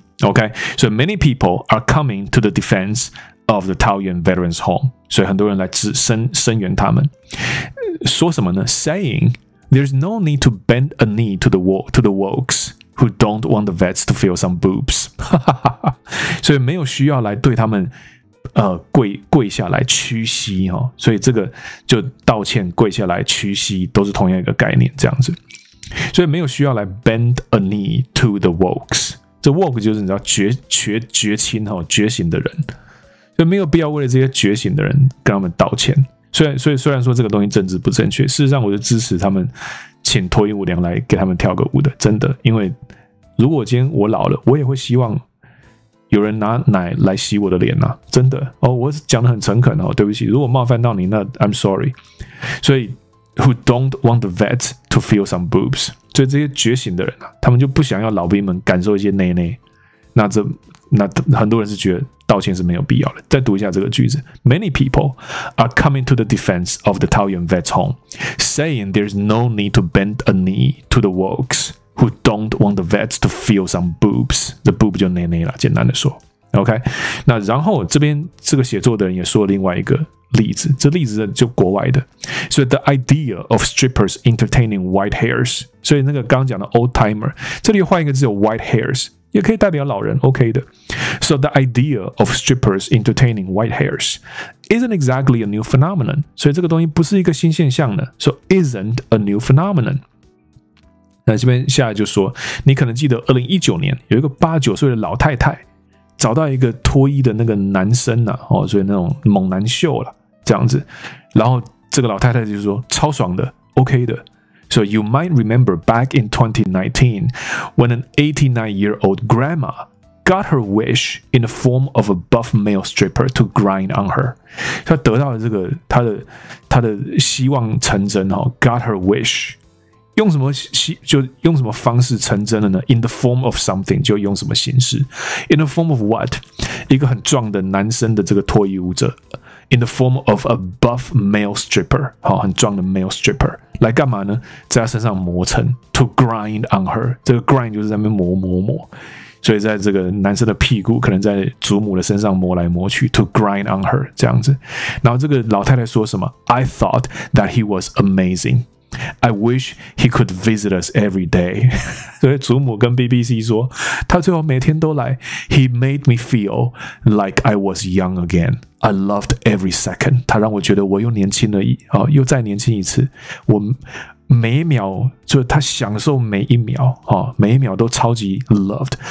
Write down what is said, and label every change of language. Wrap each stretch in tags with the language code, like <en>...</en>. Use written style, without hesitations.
<en>OK, so many people are coming to the defense of the Taoyuan Veterans Home.</en> <zh>所以很多人来声援他们。说什么呢？</zh> <en>Saying, there's no need to bend a knee to the wokes who don't want the vets to feel some boobs.</en> <zh>所以没有需要来对他们跪下来屈膝、哦、所以这个就道歉跪下来屈膝都是同样一个概念这样子。所以没有需要来</zh> <en>bend a knee to the wokes.</en> <zh>这 woke 就是你知道觉亲哈觉醒的人，所以没有必要为了这些觉醒的人跟他们道歉。虽然说这个东西政治不正确，事实上我就支持他们请脱衣舞娘来给他们跳个舞的，真的。因为如果今天我老了，我也会希望有人拿奶来洗我的脸呐、啊，真的哦。我讲得很诚恳哦，对不起，如果冒犯到你，那</zh> <en>I'm sorry。所以 who don't want the vet to feel some boobs。</en> <zh>所以这些觉醒的人、啊、他们就不想要老兵们感受一些内内。那很多人是觉得道歉是没有必要的。再读一下这个句子。</zh> <en>Many people are coming to the defense of the Taoyuan Vets Home, saying there's no need to bend a knee to the wokes who don't want the vets to feel some boobs.</en> <zh>The boob 就捏捏啦，简单的说。 OK， 那然后这边这个写作的人也说了另外一个例子，这例子就国外的。所以</zh> <en>the idea of strippers entertaining white hairs，</en> <zh>所以那个刚讲的 old timer， 这里换一个字叫 white hairs， 也可以代表老人 ，OK 的。</zh> <en>So the idea of strippers entertaining white hairs isn't exactly a new phenomenon，</en> <zh>所以这个东西不是一个新现象的。</zh> <en>So isn't a new phenomenon。</en> <zh>那这边下来就说，你可能记得2019年有一个89岁的老太太。找到一个脱衣的那个男生啊、哦、所以那种猛男秀啦这样子。然后这个老太太就说超爽的 ,OK 的。</zh> <en>So you might remember back in 2019, when an 89-year-old grandma got her wish in the form of a buff male stripper to grind on her.</en> <zh>她得到了这个她的希望成真、哦、</zh> <en>got her wish。</en> <zh>用什么就用什么方式成真了呢 ？</zh> <en>In the form of something，</en> <zh>就用什么形式 ？</zh> <en>In the form of what？</en> <zh>一个很壮的男生的这个脱衣舞者 ，</zh> <en>In the form of a buff male stripper，</en> <zh>好，很壮的 male stripper 来干嘛呢？在他身上磨蹭 ，</zh> <en>to grind on her，</en> <zh>这个 grind 就是在那边磨磨磨，所以在这个男生的屁股，可能在祖母的身上磨来磨去 ，to grind on her 这样子。然后这个老太太说什么 ？</zh> <en>I thought that he was amazing。 I wish he could visit us every day.</en> <zh>所以祖母跟 BBC 说，他最后每天都来。</zh> <en>He made me feel like I was young again. I loved every second.</en> <zh>他让我觉得我又年轻了、哦、又再年轻一次。我每一秒，就他享受每一秒、哦、每一秒都超级 loved.</zh>